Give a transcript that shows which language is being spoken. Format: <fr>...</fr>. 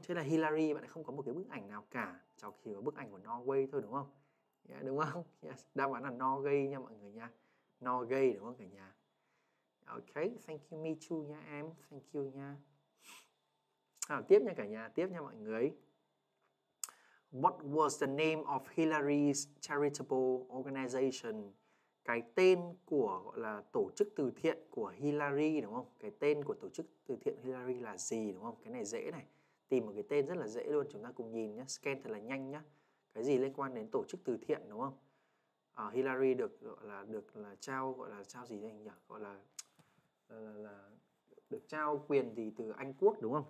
<vi>Thế là Hillary bạn lại không có một cái bức ảnh nào cả. Chỉ có bức ảnh của Norway thôi đúng không? Yeah, đúng không? Yes, đáp án là Norway nha mọi người nha. Norway đúng không cả nhà?</vi> <en>Ok, thank you me too</en> <vi>nha em. Thank you nha. À, tiếp nha cả nhà, tiếp nha mọi người.</vi> <en>What was the name of Hillary's charitable organization?</en> <vi>Cái tên của gọi là tổ chức từ thiện của Hillary đúng không? Cái tên của tổ chức từ thiện Hillary là gì đúng không? Cái này dễ này. Tìm một cái tên rất là dễ luôn, chúng ta cùng nhìn nhé. Scan thật là nhanh nhé. Cái gì liên quan đến tổ chức từ thiện đúng không? Hillary được gọi là được là trao gọi là trao gì đây anh nhỉ? Gọi là được trao quyền gì từ Anh quốc đúng không?</vi>